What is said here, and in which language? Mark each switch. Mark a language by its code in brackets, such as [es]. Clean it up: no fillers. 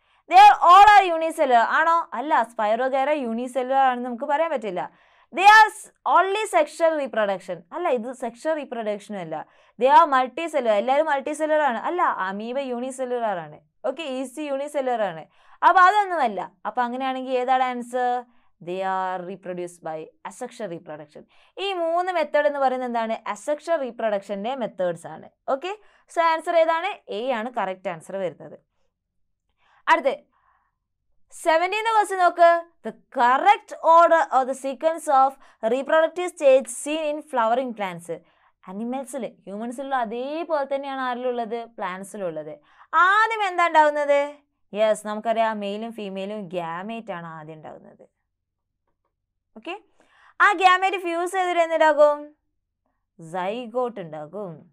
[en] they are all are unicellular [ml] ആണോ? അല്ല, spirogyra unicellular ആണെന്ന് നമുക്ക് പറയാൻ പറ്റില്ല. [en] they are only sexual reproduction, [ml] അല്ല ഇത് സെക്ഷൽ റീപ്രൊഡക്ഷനും അല്ല. [en] they are multicellular, [ml] എല്ലാവരും മൾട്ടി സെല്ലുലർ ആണ്. അല്ല, അമീബ യൂണിസെല്ലുലർ ആണ്. ഓക്കെ, ഈസ്റ്റ് യൂണിസെല്ലുലർ ആണ്. അപ്പോൾ അതൊന്നുമല്ല. അപ്പോൾ അങ്ങനെയാണെങ്കിൽ ഏതാണ് answer? [en] they are reproduced by asexual reproduction. [ml] ഈ മൂന്ന് മെത്തേഡ് എന്ന് പറയുന്നത് എന്താണ്? asexual reproduction-ന്റെ മെത്തേഡ്സ് ആണ്. ഓക്കേ? സോ ആൻസർ ഏതാണ്? എ ആണ് കറക്റ്റ് ആൻസർ വരുന്നത്. അടുത്ത 17th question നോക്ക്. [en] The correct order or the sequence of reproductive stages seen in flowering plants. [ml] അനിമൽസില് ഹ്യൂമൻസിലുള്ള അതേപോലെ തന്നെയാണ് ആരിലുള്ളത്? പ്ലാന്റ്സിലുള്ളത്. ആദ്യം എന്താ ഉണ്ടാവുന്നത്? യെസ്, നമുക്കറിയാം മെയിലും ഫീമെയിലും ഗ്യാമേറ്റ് ആണ് ആദ്യം ഉണ്ടാകുന്നത്. ഓക്കെ, ആ ഗ്യാമേറ്റ് ഫ്യൂസ് ചെയ്തിട്ട് എന്തുണ്ടാകും? സൈഗോട്ട് ഉണ്ടാകും.